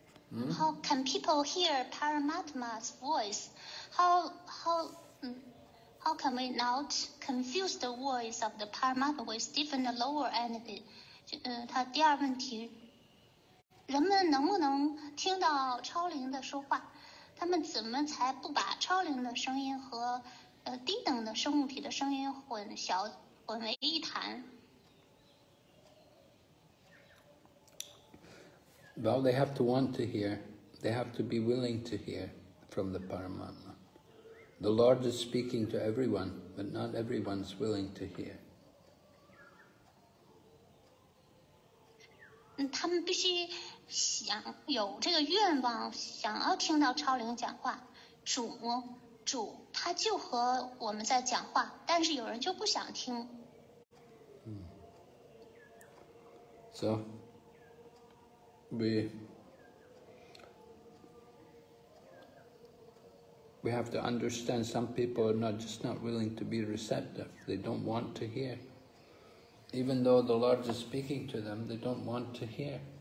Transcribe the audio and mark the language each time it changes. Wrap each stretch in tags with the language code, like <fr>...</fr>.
<en>嗯。 How can people hear Paramatma's voice? How can we not confuse the voice of the Paramatma with different lower entity?</en> <zh>他第二问题，人们能不能听到超灵的说话？他们怎么才不把超灵的声音和低等的生物体的声音混为一谈。</zh> <en>Well, they have to want to hear. They have to be willing to hear from the Paramatma. The Lord is speaking to everyone, but not everyone's willing to hear.</en> <zh>他们必须想有这个愿望，想要听到超灵讲话，主他就和我们在讲话，但是有人就不想听。</zh> <en>So, we have to understand some people are not willing to be receptive. They don't want to hear. Even though the Lord is speaking to them, they don't want to hear.</en>